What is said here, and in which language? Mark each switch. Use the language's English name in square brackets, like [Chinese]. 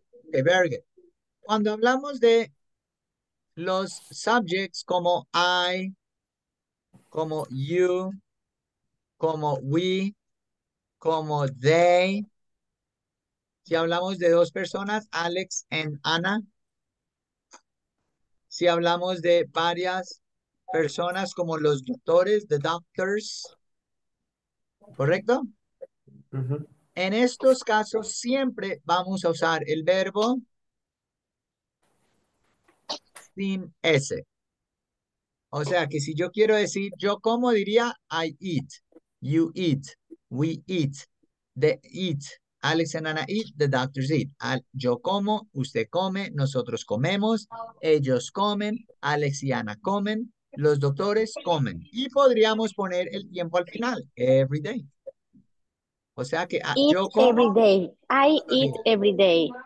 [English] Okay, very good. [Spanish] Cuando hablamos de los subjects como I, como you, como we, como they, si hablamos de dos personas, Alex y Ana, si hablamos de varias personas como los doctores, [English] the doctors, [Spanish] ¿correcto? En estos casos siempre vamos a usar el verbo sin S. O sea que si yo quiero decir yo como, diría [English] I eat, you eat, we eat, they eat, Alex and Anna eat, the doctors eat. [Spanish] Yo como, usted come, nosotros comemos, ellos comen, Alex y Anna comen, los doctores comen. Y podríamos poner el tiempo al final, [English] every day. [Spanish] O sea que [English] Eat [Spanish] yo como [English] every day. I [Spanish] todos los [English] eat [Spanish] días. [English] every day.